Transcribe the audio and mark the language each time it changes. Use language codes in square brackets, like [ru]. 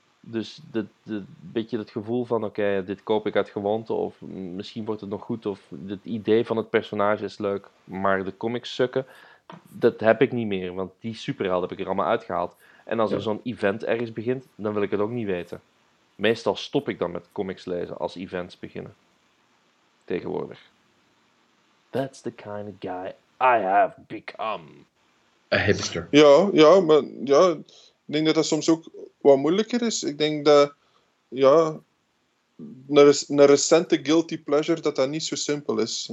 [nl] Dus beetje het gevoel van, dit koop ik uit gewoonte, of misschien wordt het nog goed, of het idee van het personage is leuk, maar de comics sukken, dat heb ik niet meer, want die superheld heb ik er allemaal uitgehaald. En als er zo'n event ergens begint, dan wil ik het ook niet weten. Meestal stop ik dan met comics lezen als events beginnen. Tegenwoordig. [en] That's the kind of guy I have become. A hipster. [nl] Ja, maar ik denk dat soms ook wat moeilijker is. Ik denk dat, een recente guilty pleasure, dat niet zo simpel is.